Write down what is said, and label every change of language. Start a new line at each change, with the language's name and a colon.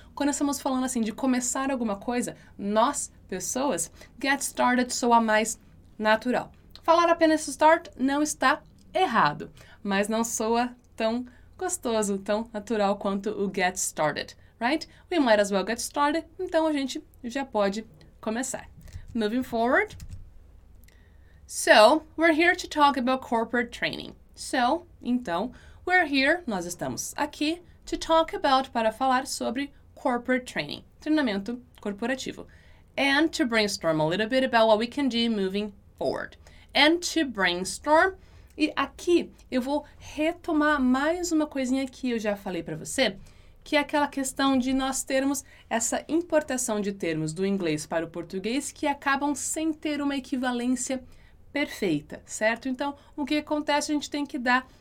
Portuguese: Quando estamos falando assim de começar alguma coisa, nós, pessoas, get started soa mais natural. Falar apenas start não está errado, mas não soa tão gostoso, tão natural quanto o get started, right?
English: We might as well get started,
Portuguese: então a gente já pode começar.
English: Moving forward. So, we're here to talk about corporate training.
Portuguese: So, então,
English: we're here,
Portuguese: nós estamos aqui,
English: to talk about,
Portuguese: para falar sobre corporate training, treinamento corporativo.
English: And to brainstorm a little bit about what we can do moving forward. And to brainstorm.
Portuguese: E aqui eu vou retomar mais uma coisinha que eu já falei para você, que é aquela questão de nós termos essa importação de termos do inglês para o português que acabam sem ter uma equivalência perfeita, certo? Então, o que acontece? A gente tem que dar